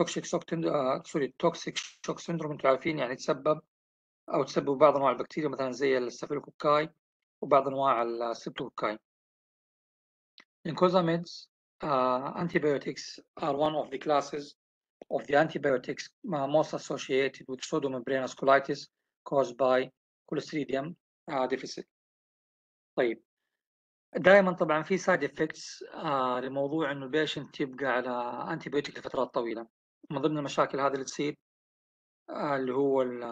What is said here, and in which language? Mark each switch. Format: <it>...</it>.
<ar>Toxic shock syndrome انتوا عارفين يعني تسبب او تسبب بعض انواع البكتيريا مثلا زي الستافيلوكوكاي وبعض انواع الستريبتوكوكاي.</ar> <en>Lincozamids antibiotics are one of the classes of the antibiotics most associated with pseudomembranous colitis caused by Clostridium deficit.</en> <ar>طيب دائما طبعا في سايد افكتس لموضوع انه البيشنت تبقى على انتيبيوتيك لفترات طويله، من ضمن المشاكل هذه اللي تصير اللي هو</ar>